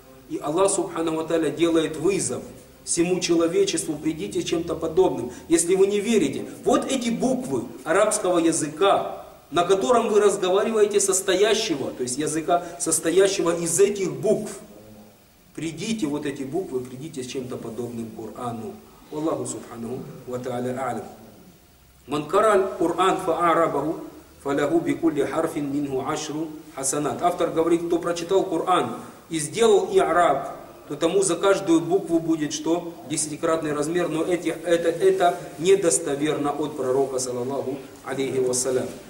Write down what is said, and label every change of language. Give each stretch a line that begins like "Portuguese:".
Russian: И Аллах Субханаху ва Тааля делает вызов всему человечеству: придите чем-то подобным, если вы не верите. Вот эти буквы арабского языка, на котором вы разговариваете состоящего, то есть языка, состоящего из этих букв. Придите, вот эти буквы, придите с чем-то подобным Корану. Аллаху Субханаху ва Тааля алям.
Arabic: Ман караль Коран фа арабаху, فَلَهُ بِكُلِّ حَرْفٍ مِنْهُ عَشْرُ حَسَنَاتٍ.
Russian: Автор говорит, кто прочитал Коран и сделал и'раб, то тому за каждую букву будет что? Десятикратный размер. Но это недостоверно от пророка, саллаллаху алейхи вассалям.